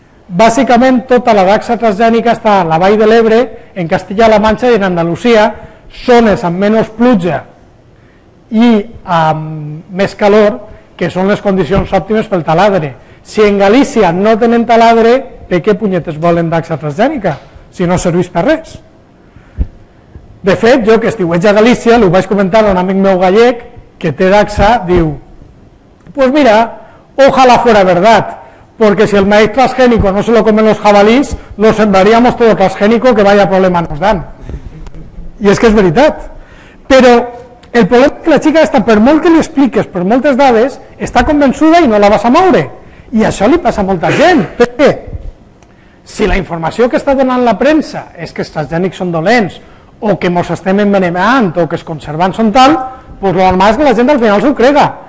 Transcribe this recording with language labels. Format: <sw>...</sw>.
<ca>Bàsicament, tota la daxa transgènica està a la Vall de l'Ebre, en Castilla-La Mancha i en Andalusia, zones amb menys pluja i amb més calor, que són les condicions òptimes pel taladre. Si en Galícia no tenen taladre, per què punyetes volen daxa transgènica, si no serveix per res? De fet, jo que estiueig a Galícia, li ho vaig comentar a un amic meu gallec, que té daxa, diu:</ca> <es>pues mira, ojalá fuera verdad, porque si el maíz transgénico no se lo comen los jabalís, lo sembraríamos todo transgénico, que vaya problema nos dan.</es> <ca>I és que és veritat. Però el problema és que la xica està, per molt que li expliques, per moltes dades, està convençuda i no la vas a moure. I això li passa a molta gent. Per què? Si la informació que està donant la premsa és que els transgènics són dolents, o que mos estem envenenant, o que els conservants són tal, doncs el normal és que la gent al final s'ho crega.</ca>